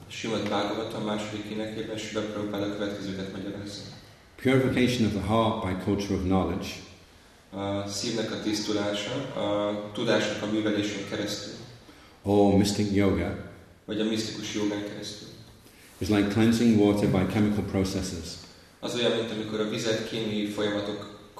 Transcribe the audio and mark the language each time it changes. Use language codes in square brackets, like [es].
[hu] Srimad Bhagavatam második énekében Srila Prabhupada következőket magyaráz. [en] Purification of the heart by culture of knowledge. [hu] A szívnek a tisztulása, a tudásnak a művelésén keresztül. [en] Or mystic yoga. [hu] Vagy a misztikus jogán keresztül. [en] It's like cleansing water by chemical processes. [hu] Az olyan, mint amikor a vizet kémiai folyamatok.